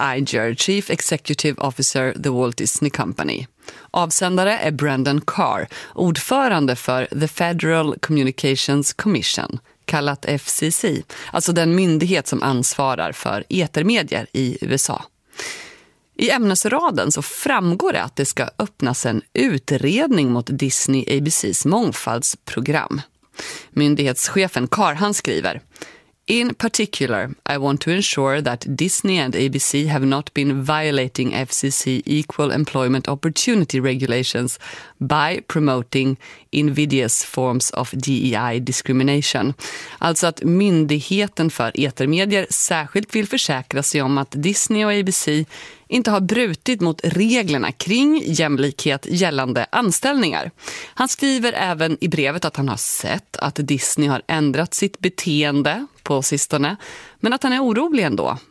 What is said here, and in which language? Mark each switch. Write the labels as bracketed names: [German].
[English] Iger, Chief Executive Officer, The Walt Disney Company. [Swedish] Avsändare är Brandon Carr, ordförande för The Federal Communications Commission, kallat FCC, alltså den myndighet som ansvarar för etermedier i USA. I ämnesraden så framgår det att det ska öppnas en utredning mot Disney ABC:s mångfaldsprogram. Myndighetschefen Carr, han skriver: [English] In particular, I want to ensure that Disney and ABC have not been violating FCC equal employment opportunity regulations by promoting invidious forms of DEI discrimination. [Swedish] Alltså att myndigheten för etermedier särskilt vill försäkra sig om att Disney och ABC inte har brutit mot reglerna kring jämlikhet gällande anställningar. Han skriver även i brevet att han har sett att Disney har ändrat sitt beteende på sistone, men att han är orolig ändå.